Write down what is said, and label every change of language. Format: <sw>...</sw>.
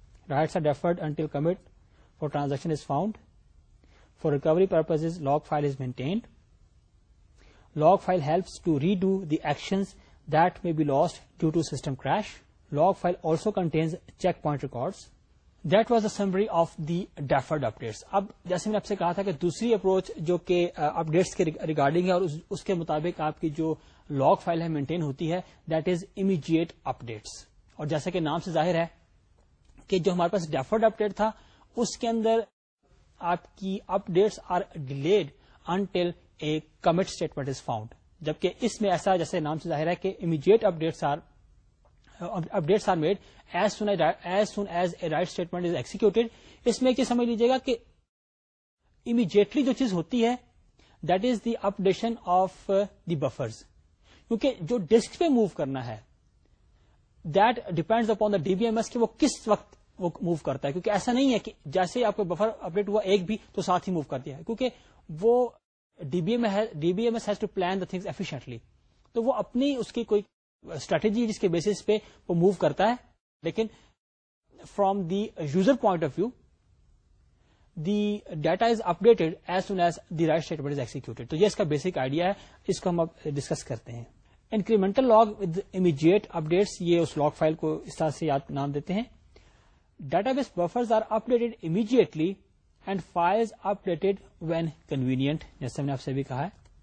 <en>Writes are deferred until commit for transaction is found, for recovery purposes log file is maintained, log file helps to redo the actions that may be lost due to system crash, log file also contains checkpoint records. That was the summary of the deferred updates.</en> <ur>اب جیسے میں نے آپ سے کہا تھا کہ دوسری اپروچ جو کہ اپڈیٹس کے ریگارڈنگ ہے اور اس کے مطابق آپ کی جو لاگ فائل ہے مینٹین ہوتی ہے</ur> <en>that is immediate updates,</en> <ur>اور جیسا کہ نام سے ظاہر ہے کہ جو ہمارے پاس ڈیفرڈ اپڈیٹ تھا اس کے اندر آپ کی</ur> <en>updates are delayed until a commit statement is found,</en> <ur>جبکہ اس میں ایسا جیسے نام سے ظاہر ہے کہ</ur> <en>Immediate updates are updates are made as soon as a write statement is executed.</en> <ur>اس میں یہ سمجھ لیجیے گا کہ امیجیٹلی جو چیز ہوتی ہے</ur> <en>that is the updation of the buffers,</en> <ur>کیونکہ جو ڈسک پہ موو کرنا ہے</ur> <en>that depends upon the D B M S</en> <ur>کہ وہ کس وقت وہ موو کرتا ہے, کیونکہ ایسا نہیں ہے کہ جیسے آپ کا بفر اپڈیٹ ہوا ایک بھی تو ساتھ ہی موو کر دیا ہے, کیونکہ وہ</ur> <en>D B M S has to plan the things efficiently,</en> <ur>تو وہ اپنی اس کی کوئی اسٹریٹجی جس کے بیسس پہ وہ موو کرتا ہے, لیکن</ur> <en>From the user point of view the data is updated as soon as the write statement is executed.</en> <ur>تو یہ اس کا بیسک آئیڈیا ہے, اس کو ہم اب ڈسکس کرتے ہیں.</ur> <en>incremental log with immediate updates,</en> <ur>یہ اس لاگ فائل کو اس طرح سے یاد نام دیتے ہیں.</ur> <en>database buffers are updated immediately and files updated when convenient,</en> <ur>جیسے ہم نے آپ سے بھی کہا ہے.</ur>